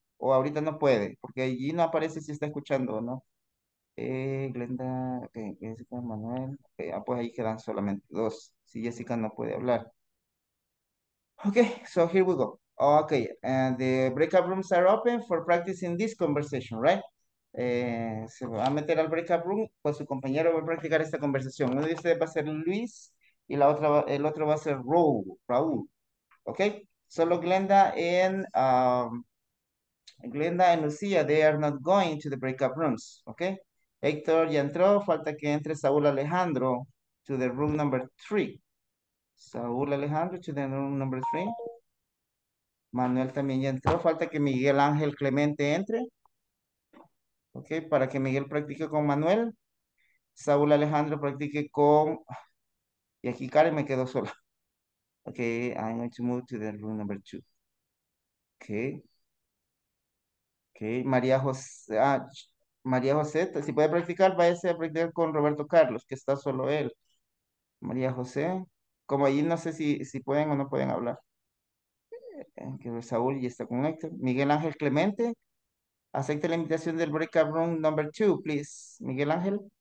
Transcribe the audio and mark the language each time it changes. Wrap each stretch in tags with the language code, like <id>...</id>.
<es>O ahorita no puede, porque allí no aparece si está escuchando o no. Glenda, okay, Jessica, Manuel, okay, pues ahí quedan solamente dos, si Jessica no puede hablar.</es> <en>Okay, so here we go. Okay, and the breakout rooms are open for practicing this conversation, right?</en> <es>Se va a meter al breakout room, pues su compañero va a practicar esta conversación. Uno de ustedes va a ser Luis y la otra, el otro va a ser Raúl, okay?</es> <en>Solo Glenda and Lucia, they are not going to the breakout rooms, okay?</en> <es>Héctor ya entró, falta que entre Saúl Alejandro</es> <en>to the room number three. Saúl Alejandro to the room number three.</en> <es>Manuel también ya entró, falta que Miguel Ángel Clemente entre. Ok, para que Miguel practique con Manuel. Saúl Alejandro practique con... Y aquí Karen me quedó sola.</es> <en>Ok, I'm going to move to the room number two. Ok. Ok, María José...</en> <es>Ah, María José, si puede practicar, váyase a practicar con Roberto Carlos, que está solo él. María José, como allí no sé si pueden o no pueden hablar. Que Saúl ya está con Héctor. Miguel Ángel Clemente, acepte la invitación del</es> <en>breakout room number two, please.</en> <es>Miguel Ángel.</es>